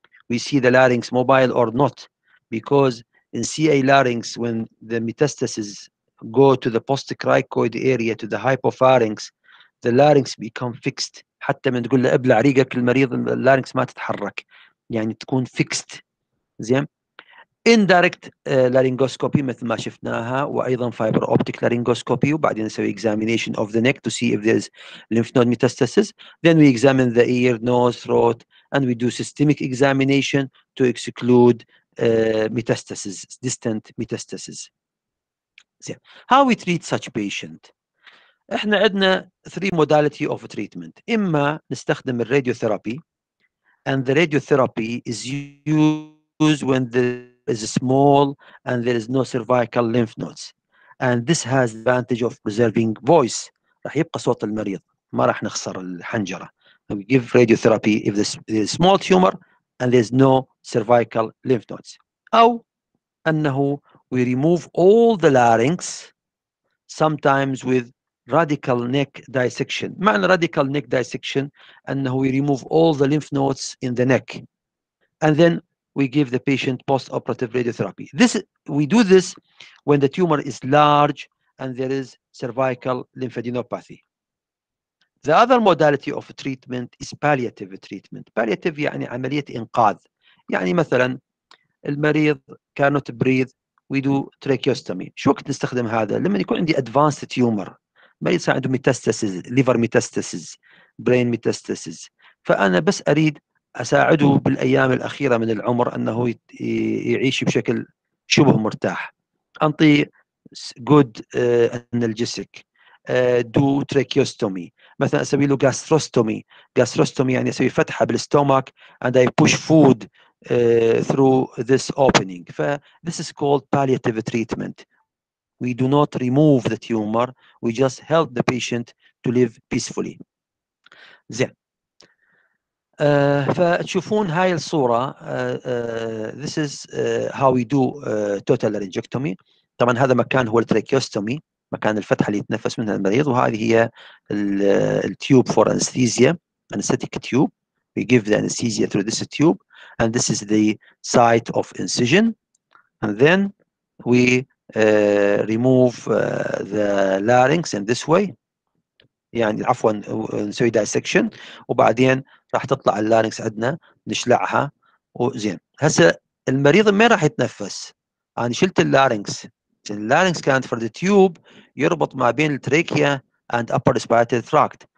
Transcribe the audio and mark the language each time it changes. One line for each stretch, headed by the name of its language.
English: We see the larynx mobile or not, because in CA larynx when the metastasis go to the postcricoid area to the hypopharynx the larynx become fixed.
Arabic: حتى من تقول له ابلع ريقك المريض larynx ما تتحرك، يعني تكون fixed. زين، indirect laryngoscopy مثل ما شفناها، وايضا fiber optic laryngoscopy، وبعدين نسوي
English: examination of the neck to see if there's lymph node metastasis. Then we examine the ear, nose, throat, and we do systemic examination to exclude metastasis, distant metastasis. زين، how we treat such patient.
Arabic: احنا عندنا
English: three modality of treatment.
Arabic: اما نستخدم الراديوثيرابي،
English: and the radiotherapy is used when there is small and there is no cervical lymph nodes. And this has the advantage of preserving voice.
Arabic: رح يبقى صوت المريض. ما رح نخسر الحنجرة.
English: We give radiotherapy if there's a small tumor and there's no cervical lymph nodes.
Arabic: أو أنه
English: we remove all the larynx sometimes with radical neck dissection. معنى radical neck dissection أنه we remove all the lymph nodes in the neck. And then we give the patient post-operative radiotherapy. This, we do this when the tumor is large and there is cervical lymphadenopathy. The other modality of treatment is palliative treatment.
Arabic: Palliative يعني عملية إنقاذ. يعني مثلا المريض
English: cannot breathe, we do tracheostomy.
Arabic: شو وقت نستخدم هذا؟ لما يكون عندي advanced tumor. المريض صار عنده
English: metastasis, liver metastasis, brain metastasis.
Arabic: فأنا بس أريد أساعده بالأيام الأخيرة من العمر أنه يعيش بشكل شبه مرتاح.
English: أنطي good analgesic. Do tracheostomy.
Arabic: مثلا أسوي له
English: gastrostomy. Gastrostomy
Arabic: يعني أسوي فتحة بالستومك
English: and I push food through this opening. This is called palliative treatment. We do not remove the tumor. We just help the patient to live peacefully.
Arabic: زين. فتشوفون هاي الصورة
English: this is how we do total laryngectomy.
Arabic: طبعا هذا مكان هو التراكيوستومي, مكان الفتحة اللي يتنفس منها المريض, وهذه هي التيوب
English: for anesthesia, anesthetic tube. We give the anesthesia through this tube and this is the site of incision and then we remove the larynx in this way.
Arabic: يعني عفوا نسوي dissection وبعدين راح تطلع اللارينكس عندنا نشلعها وزين. هسه المريض ما راح يتنفس, انا شلت اللارينكس. اللارينكس كانت
English: for the tube
Arabic: يربط ما بين التريكيا
English: and upper respiratory tract.